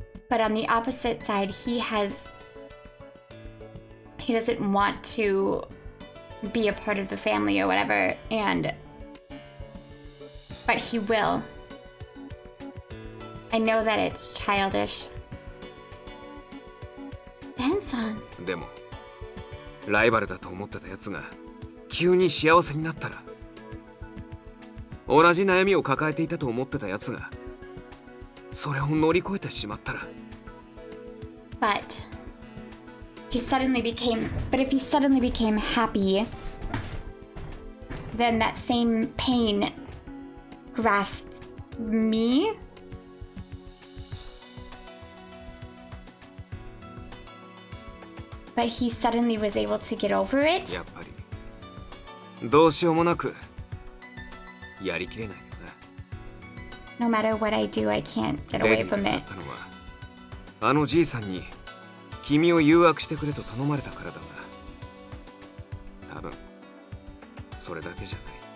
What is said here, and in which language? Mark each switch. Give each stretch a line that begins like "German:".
English: But on the opposite side, he doesn't want to be a part of the family or whatever, but he will. I know that it's childish. Ben-san.
Japanese: でも、ライバルだと思ってたやつが急に幸せになったら、同じ悩みを抱えていたと思ってたやつがそれを乗り越えてしまったら、
English: But if he suddenly became happy, then that same pain grasped me. But he suddenly was able to get over it.
Japanese: やっぱりどうしようもなくやりきれないよね。
English: No matter what I do, I can't get away from it.
Japanese: あのじいさんに君を誘惑してくれと頼まれたからだが、多分それだけじゃない。